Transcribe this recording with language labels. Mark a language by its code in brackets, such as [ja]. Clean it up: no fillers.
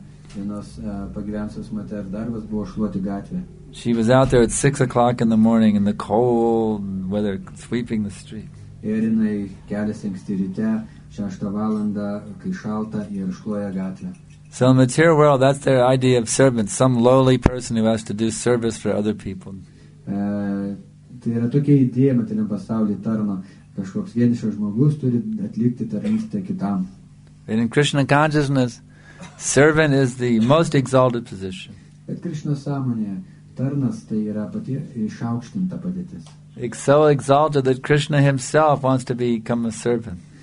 [en] She was out there at 6 o'clock in the morning in the cold weather sweeping the street. [lt] Ir jinai kelias anksti ryte, 6 valandą, kai šalta, ir šluoja gatvę. [en] So in the material world, that's their idea of servant, some lowly person who has to do service for other people. [lt] Tai yra tokia idėja, materialiam pasaulyje tarno, kažkoks vienišas žmogus turi atlikti tarnystę kitam. [en] And in Krishna consciousness, servant is the most exalted position. [lt] Bet Krishna sąmonėje, tarnas tai yra pati išaukštinta padėtis. [en] It's so exalted that Krishna himself wants to become a servant.